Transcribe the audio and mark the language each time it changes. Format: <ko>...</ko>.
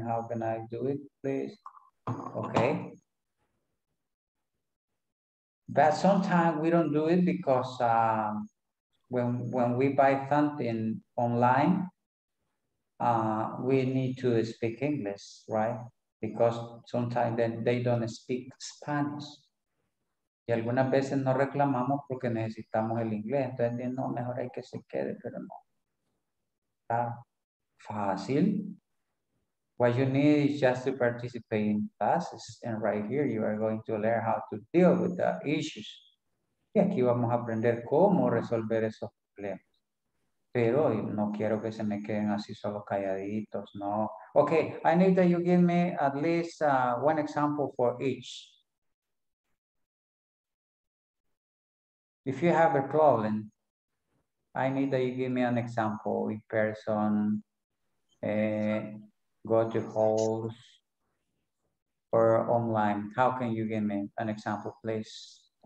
<en>How can I do it, please? Okay. But sometimes we don't do it because when we buy something online, we need to speak English, right? Because sometimes they don't speak Spanish.</en> <es>Y algunas veces no reclamamos porque necesitamos el inglés. Entonces, no, mejor hay que se quede, pero no. Está fácil.</es> <en>What you need is just to participate in classes. And right here, you are going to learn how to deal with the issues.</en> <es>Y aquí vamos a aprender cómo resolver esos problemas. Pero no quiero que se me queden así solo calladitos, no.</es> <en>Okay, I need that you give me at least one example for each. If you have a problem, I need that you give me an example. If person go to halls or online, how can you give me an example, please?</en>